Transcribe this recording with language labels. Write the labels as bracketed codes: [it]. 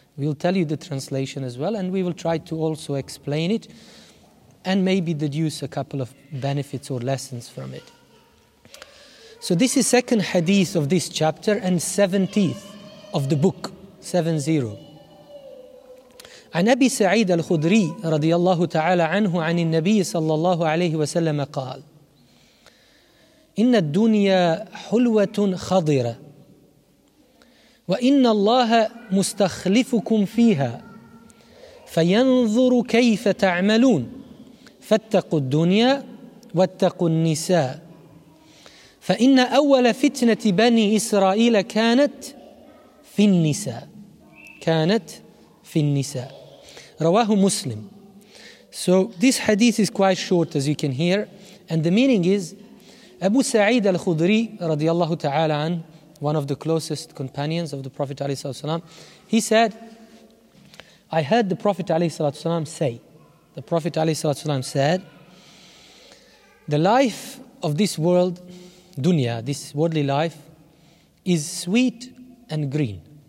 [en] We'll tell you the translation as well, and we will try to also explain it and maybe deduce a couple of benefits or lessons from it. So this is second hadith of this chapter and 70th of the book, 70. [ar] عن أبي سعيد الخدري رضي الله تعالى عنه عن النبي صلى الله عليه وسلم قال إن الدنيا حلوة خضرة وإن الله مستخلفكم فيها فينظر كيف تعملون فاتقوا الدنيا واتقوا النساء فإن أول فتنة بني إسرائيل كانت في النساء رواه مسلم. [en] So this hadith is quite short, as you can hear, and the meaning is Abu Sa'id al-Khudri radiyallahu ta'ala an, one of the closest companions of the Prophet alayhi salatu wasalam, he said, I heard the Prophet alayhi salatu wasalam say, the Prophet alayhi salatu wasalam said, the life of this world, dunya, this worldly life, is sweet and green.